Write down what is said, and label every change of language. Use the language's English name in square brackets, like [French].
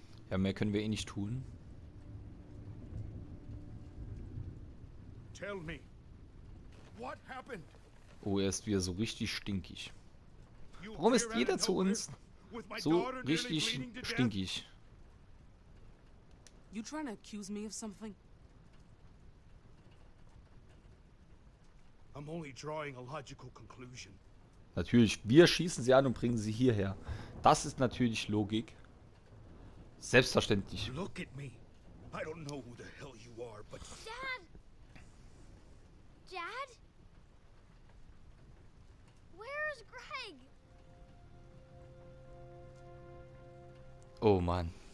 [German] Ja, mehr können wir eh nicht tun. [English] Tell me. What happened? [German] Oh, er ist wieder so richtig stinkig. Warum ist jeder zu uns so richtig stinkig? [English] You trying to accuse me of something? I'm only drawing a logical conclusion. [German] Natürlich, wir schießen sie an und bringen sie hierher. Das ist natürlich Logik. Selbstverständlich. [English] Look at me. I don't know who the hell you are, but Dad. Dad? Where is Greg? [German] Oh Mann.